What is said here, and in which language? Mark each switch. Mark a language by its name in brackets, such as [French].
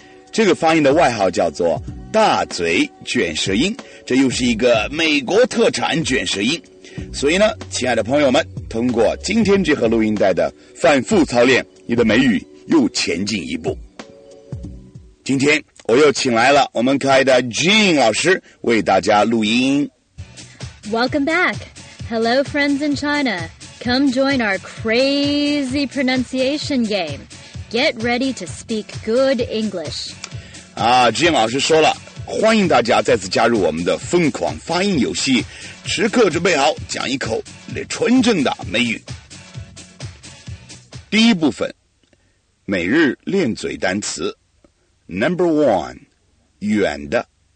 [Chinese] 这个发音的外号叫做大嘴卷舌音这又是一个美国特产卷舌音所以呢亲爱的朋友们通过今天这盒录音带的反复操练你的美语又前进一步今天我又请来了我们可爱的 Jean 老师为大家录音 [English] Welcome back Hello friends in China Come join our crazy pronunciation game Get ready to speak good English [Chinese] 啊 Jean 老师说了欢迎大家再次加入我们的疯狂发音游戏时刻准备好讲一口纯正的美语第一部分每日练嘴单词 [English] Number one [Chinese] 远的